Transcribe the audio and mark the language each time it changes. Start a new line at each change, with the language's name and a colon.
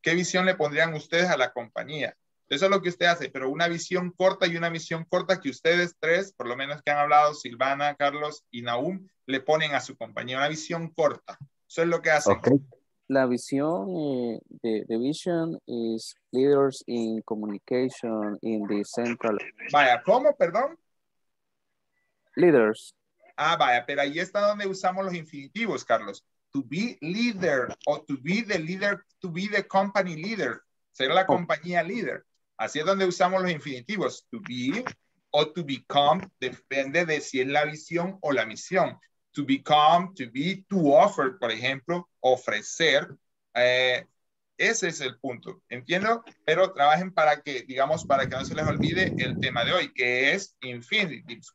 Spanish: ¿Qué visión le pondrían ustedes a la compañía? Eso es lo que usted hace, pero una visión corta y una misión corta que ustedes tres, por lo menos que han hablado Silvana, Carlos y Nahum, le ponen a su compañía, una visión corta. Eso es lo que hacen.
English: Okay.
Spanish: La visión,
English: the vision is leaders in communication in the central.
Spanish: Vaya, ¿cómo? Perdón.
English: Leaders.
Spanish: Ah, vaya, pero ahí está donde usamos los infinitivos, Carlos.
English: To be leader o to be the leader, to be the company leader.
Spanish: Ser la compañía líder. Así es donde usamos los infinitivos. To be o to become, depende de si es la visión o la misión.
English: To become, to be, to offer,
Spanish: por ejemplo, ofrecer. Ese es el punto, ¿entiendo? Pero trabajen para que, digamos, para que no se les olvide el tema de hoy, que es infinitives.